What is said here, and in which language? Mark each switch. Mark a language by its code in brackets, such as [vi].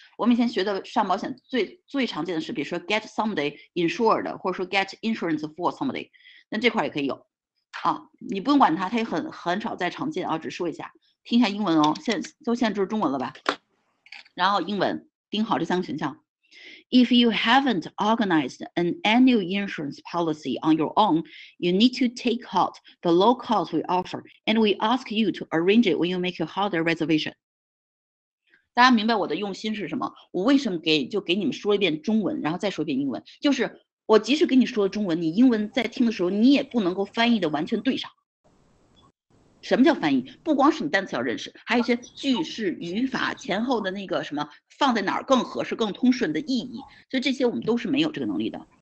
[zh] 我们以前学的上保险最常见的是比如说 [en] get somebody insured [zh] 或者说 [en] get insurance for somebody， [zh] 那这块也可以有啊，你不用管它，它也很少再常见啊，只说一下，听一下英文哦。现在就是中文了吧，然后英文盯好这三个选项。 [en] If you haven't organized an annual insurance policy on your own, you need to take out the low cost we offer, and we ask you to arrange it when you make your holiday reservation. [zh] 大家明白我的用心是什么？我为什么给你们说一遍中文，然后再说一遍英文？就是我即使给你说了中文，你英文在听的时候，你也不能够翻译的完全对上。什么叫翻译？不光是你单词要认识，还有一些句式、语法、前后的那个什么放在哪儿更合适、更通顺的意义，所以这些我们都是没有这个能力的。